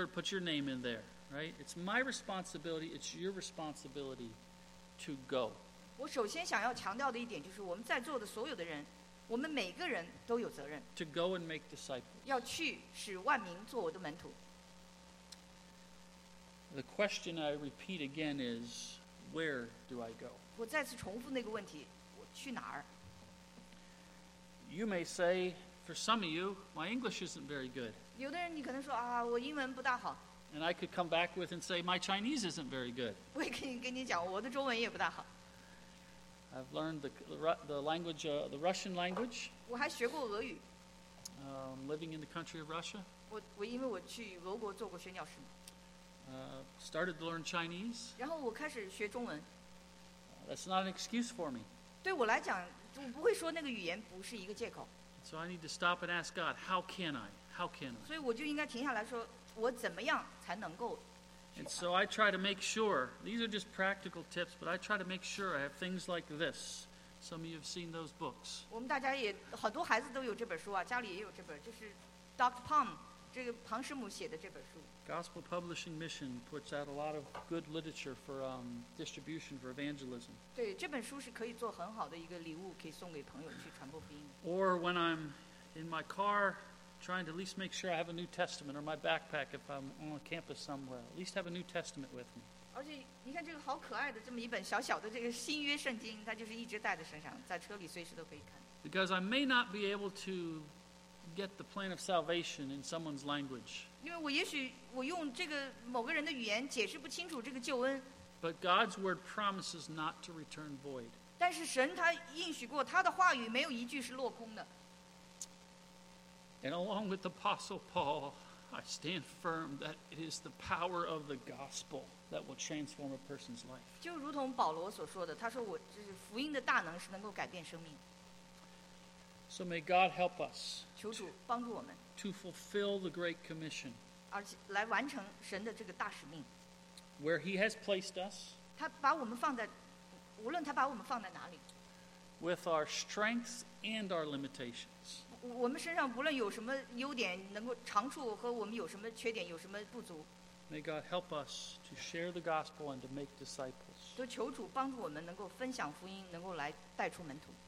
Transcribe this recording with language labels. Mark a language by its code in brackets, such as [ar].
[en] Put your name in there, right? It's my responsibility, it's your responsibility to go. [zh] 我首先想要强调的一点就是我们在座的所有的人我们每个人都有责任 [en] to go and make disciples. [zh] 要去使万民做我的门徒 [en] The question I repeat again is where do I go? [zh] 我再次重复那个问题我去哪儿 [en] You may say for some of you my English isn't very good [zh] 有的人你可能说啊，我英文不大好 [en] and I could come back with and say my Chinese isn't very good [zh] 我也可以跟你讲我的中文也不大好 [en] I've learned the language, the Russian language. [zh] 我还学过俄语。 [en] Living in the country of Russia. [zh] 我因为我去俄国做过宣教士。 [en] Started to learn Chinese. [zh] 然后我开始学中文。 [en] That's not an excuse for me. [zh] 对我来讲，我不会说那个语言不是一个借口。 [en] So I need to stop and ask God, how can I? How can I? [zh] 所以我就应该停下来说，我怎么样才能够。 [en] And so I try to make sure, these are just practical tips, but I try to make sure I have things like this. Some of you have seen those books. [zh] 我们大家也很多孩子都有这本书啊，家里也有这本，就是 Dr. Palm, 这个庞师母写的这本书。 [en] Gospel Publishing Mission puts out a lot of good literature for distribution for evangelism. [zh] 对，这本书是可以做很好的一个礼物，可以送给朋友去传播福音。 [en] Or when I'm in my car, trying to at least make sure I have a New Testament or my backpack if I'm on a campus somewhere. At least have a New Testament with me. [zh] 而且你看这个好可爱的这么一本小小的这个新约圣经，它就是一直带在身上，在车里随时都可以看。 [en] Because I may not be able to get the plan of salvation in someone's language. [zh] 因为我也许我用这个某个人的语言解释不清楚这个救恩。 [en] But God's word promises not to return void. [zh] 但是神他应许过，他的话语没有一句是落空的。 [en] And along with Apostle Paul, I stand firm that it is the power of the gospel that will transform a person's life. [zh] 就如同保罗所说的，他说我就是福音的大能是能够改变生命。 [en] So may God help us. [zh] 求主帮助我们。 [en] To fulfill the great commission. [zh] 而且来完成神的这个大使命。 [en] Where He has placed us. [zh] 他把我们放在，无论他把我们放在哪里。 [en] With our strengths and our limitations. [zh] 我们身上不论有什么优点，能够长处和我们有什么缺点，有什么不足。 [en] May God help us to share the gospel and to make disciples. [zh] 都求主帮助我们能够分享福音，能够来带出门徒。